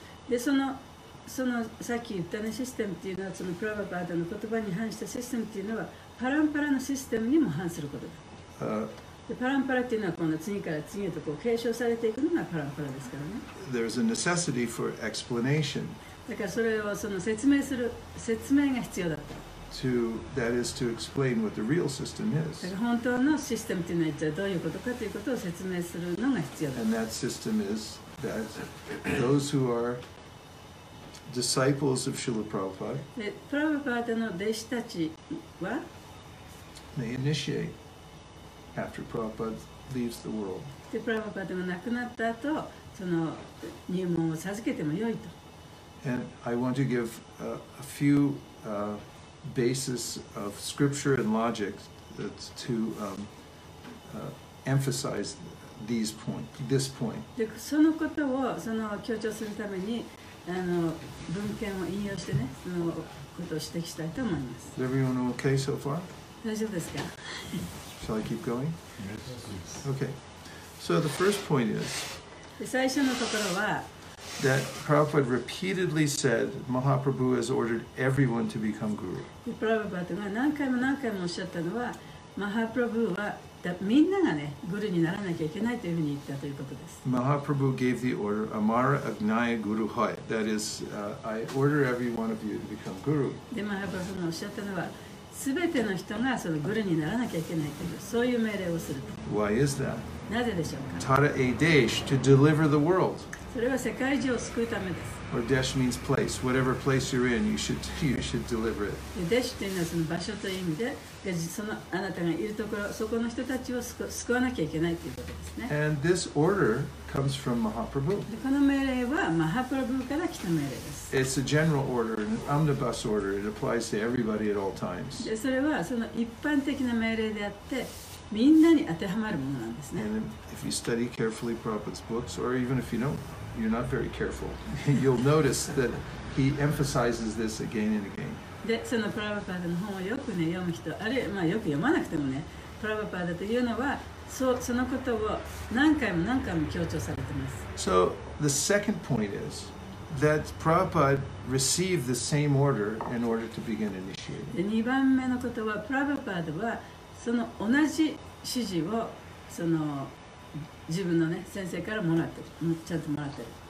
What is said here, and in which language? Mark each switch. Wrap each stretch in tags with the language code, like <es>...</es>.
<ja>で、そのさっき言ったねシステムというのはそのプラバパダの言葉に反したシステムというのはパランパラのシステムにも反することだ。でパランパラというのはこの次から次へとこう継承されていくのがパランパラですからね。</ja> <en>There's a necessity for explanation.</en> <ja>だからそれをその説明が必要だった。</ja> <en>That is to explain what the real system is.</en> <ja>だから本当のシステムというのは一体どういうことかということを説明するのが必要だ。</ja> <en>And that system is that those who are disciples of Srila Prabhupada.</en> <ja>で、プラバパダの弟子たちは?</ja> <en>They initiate after Prabhupada leaves the world.</en> <ja>で、プラバパダが亡くなった後、その入門を授けてもよいと。</ja> <en>And I want to give a few basis of scripture and logic to emphasize these point, this point.</en> <ja>で、そのことをその強調するためにあの文献を引用してね、そのことを指摘したいと思います。</ja> <en>Is everyone okay so far?</en> <ja>大丈夫ですか?</ja> <en>Shall I keep going? Yes. Okay. So the first point is.</en> <ja>で、最初のところは。</ja> <en>That Prabhupada repeatedly said, Mahaprabhu has ordered everyone to become guru.</en> <ja>Prabhupada が何回も何回もおっしゃったのは、Mahaprabhu はみんながね、グルにならなきゃいけないというふうに言ったということです。</ja> <en>Mahaprabhu gave the order,</en> <bn>Amara Agnaya Guru Hai.</bn> <en>That is, I order every one of you to become guru.</en> <ja>で、Mahaprabhu がおっしゃったのは、すべての人がそのグルにならなきゃいけないという、そういう命令をすると。</ja> <en>Why is that?</en> <ja>なぜでしょうか?</ja> <bn>Tara Adesh,</bn> <en>to deliver the world.</en> <ja>それは世界中を救うためです。</ja> <en>Or desh means place. Whatever place you're in, you should deliver it.</en> <ja>Desh というのはその場所という意味で、そのあなたがいるところ、そこの人たちを救わなきゃいけないということですね。</ja> <en>And this order comes from Mahaprabhu.</en> <ja>この命令はマハプラブーから来た命令です。</ja> <en>It's a general order, an omnibus order. It applies to everybody at all times.</en> <ja>で、それはその一般的な命令であって、みんなに当てはまるものなんですね。</ja> <en>If you study carefully Prabhupada's books, or even if you don't, you're not very careful, you'll notice that he emphasizes this again and again.</en> <ja>で、そのプラヴァパーダの本をよくね、読む人、あるいはまあよく読まなくてもね、プラヴァパーダというのは、そのことを何回も何回も強調されています。</ja> <en>So, the second point is that Prabhupada received the same order in order to begin initiating.</en> <ja>で、2番目のことは、プラヴァパーダはその同じ指示を、その、自分のね、先生からもらってる、ちゃんともらってる。</ja>